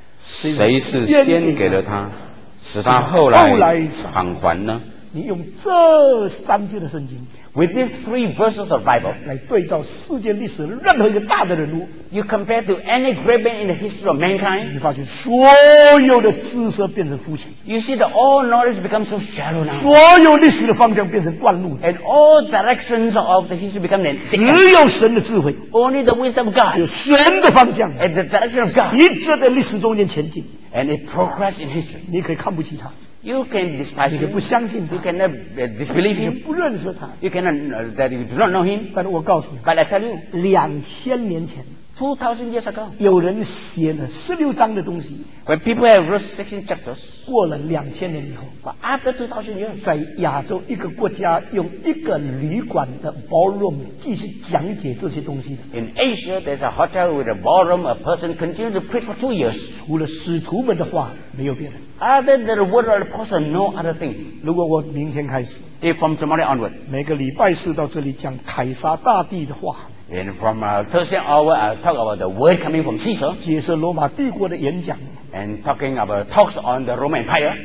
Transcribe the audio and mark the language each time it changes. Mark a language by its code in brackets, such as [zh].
[zh] 谁是先给了他使他后来赏还呢你用这三节的圣经 [en] With these three verses of Bible [zh] 来对照世界历史任何一个大的人物 [en] You compare to any great man in the history of mankind [zh] 你发现所有的知识变成肤浅 [en] You see that all knowledge becomes so shallow now [zh] 所有历史的方向变成断路 [en] And all directions of the history become then [zh] 只有神的智慧 [en] Only the wisdom of God [zh] 有神的方向 [en] And the direction of God [zh] 一直在历史中间前进 [en] And it progress in history [zh] 你可以看不起他 [en] You can despise him. [zh] 你不相信他。 [en] You cannot disbelieve him. [zh] 你不认识他。 [en] You cannot that you do not know him. [zh] 但我告诉你。 [en] But I tell you, [zh] 2000年前 [en] 2000 years ago, [zh] 有人写了16章的东西。 [en] When people have wrote 16 chapters, [zh] 过了2000年以后。 [en] But after 2000 years, [zh] 在亚洲一个国家用一个旅馆的 ballroom 继续讲解这些东西的。 [en] In Asia, there's a hotel with a ballroom, a person continues to preach for 2 years. [zh] 除了使徒们的话，没有别人。 [en] Other than the word of the person, no other thing. [zh] 如果我明天开始 [en] If from tomorrow onward, [zh] 每个礼拜四到这里讲凯撒大帝的话 [en] And from Thursday hour, I'll talk about the word coming from Caesar. [zh] 解释罗马帝国的演讲 [en] And talking about talks on the Roman Empire.